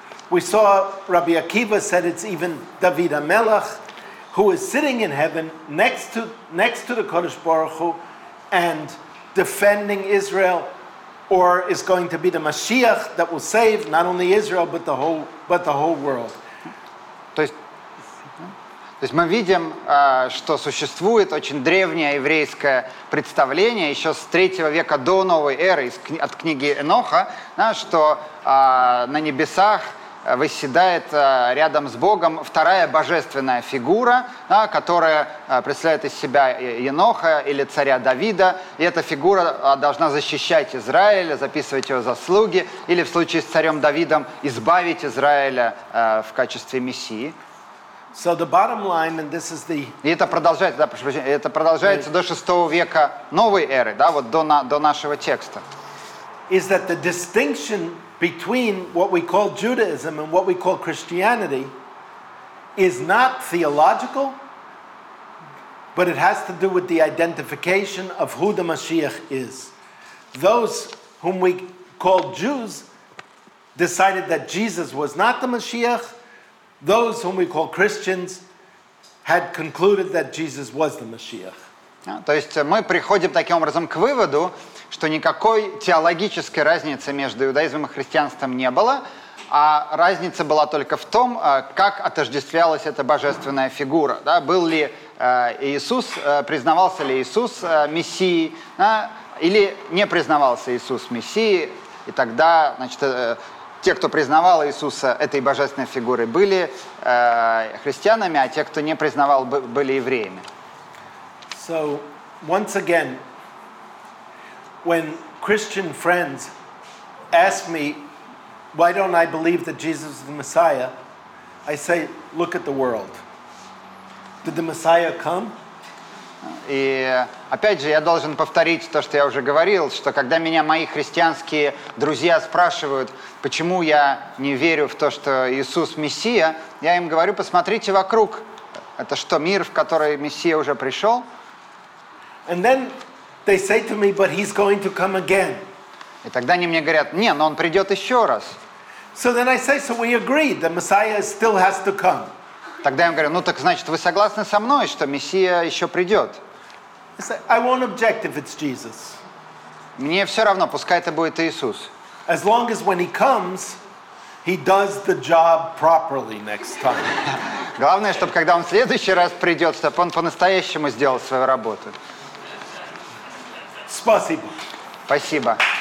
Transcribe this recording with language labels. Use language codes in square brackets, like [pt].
[en] We saw Rabbi Akiva said it's even David HaMelech, who is sitting in heaven next to the Kodesh Baruch Hu and defending Israel, or is going to be the Mashiach that will save not only Israel but the whole world. [ru] То есть мы видим, что существует очень древнее еврейское представление еще с 3 века до новой эры от книги Еноха, да, что на небесах восседает рядом с Богом вторая божественная фигура, да, которая представляет из себя Еноха или царя Давида. И эта фигура должна защищать Израиль, записывать его заслуги, или в случае с царем Давидом избавить Израиля в качестве мессии. [en] So the bottom line, and this is the... [ru] И это продолжается, да, прошу прощения, это продолжается до 6 века новой эры, да, вот до нашего текста. [en] Is that the distinction between what we call Judaism and what we call Christianity is not theological, but it has to do with the identification of who the Mashiach is. Those whom we call Jews decided that Jesus was not the Mashiach. Those whom we call Christians had concluded that Jesus was the Mashiach. [ru] То есть мы приходим таким образом к выводу, что никакой теологической разницы между иудаизмом и христианством не было, а разница была только в том, как отождествлялась эта божественная фигура. Да? Был ли Иисус, признавался ли Иисус Мессией, да? Или не признавался Иисус Мессией, и тогда, значит, те, кто признавал Иисуса этой божественной фигурой, были христианами, а те, кто не признавал, были евреями. [en] So, once again, when Christian friends ask me, why don't I believe that Jesus is the Messiah, I say, look at the world. Did the Messiah come? [ru] И опять же, я должен повторить то, что я уже говорил, что когда меня мои христианские друзья спрашивают, почему я не верю в то, что Иисус Мессия, я им говорю, посмотрите вокруг. Это что, мир, в который Мессия уже пришел? [en] And then they say to me, but he's going to come again. [ru] И тогда они мне говорят, не, но он придет еще раз. [en] So then I say, so we agree, the Messiah still has to come. [ru] Тогда я им говорю, ну так значит, вы согласны со мной, что Мессия еще придет? [en] I won't object if it's Jesus. [ru] Мне все равно, пускай это будет Иисус. [en] As long as when he comes, he does the job properly next time. [ru] Главное, чтобы когда он в следующий раз придет, чтобы он по-настоящему сделал свою работу. Спасибо. Спасибо.